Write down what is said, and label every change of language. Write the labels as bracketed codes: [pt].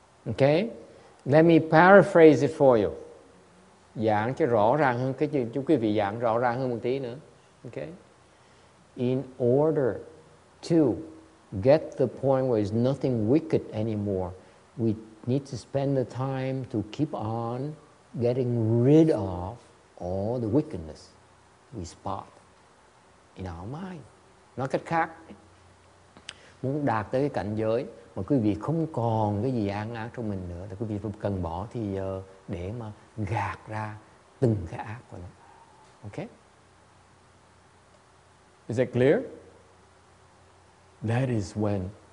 [en] Okay, let me paraphrase it for you. [vi] Giảng cho rõ ràng hơn, cái chúng quý vị giảng rõ ràng hơn một tí nữa. [en] Okay, in order to get the point where there's nothing wicked anymore, we need to spend the time to keep on getting rid of all the wickedness we spot in our mind. [vi] Nói cách khác, muốn đạt tới cái cảnh giới mà quý vị không còn cái gì ác ác trong mình nữa, thì quý vị cần bỏ thì giờ để mà gạt ra từng cái ác của nó. [en] Okay? Is that clear? That is when